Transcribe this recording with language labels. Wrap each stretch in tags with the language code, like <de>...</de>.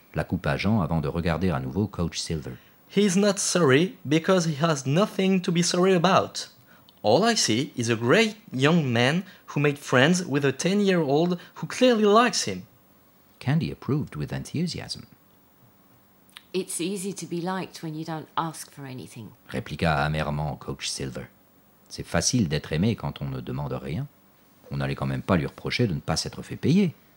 <fr>la coupa Jean avant de regarder à nouveau Coach Silver.</fr> <en>He's not sorry because he has nothing to be sorry about. All I see is a great young man who made friends with a 10-year-old who clearly likes him. Candy approved with enthusiasm. It's easy to be liked when you don't ask for anything,</en> <fr>répliqua amèrement Coach Silver. C'est facile d'être aimé quand on ne demande rien. On n'allait quand même pas lui reprocher de ne pas s'être fait payer.</fr>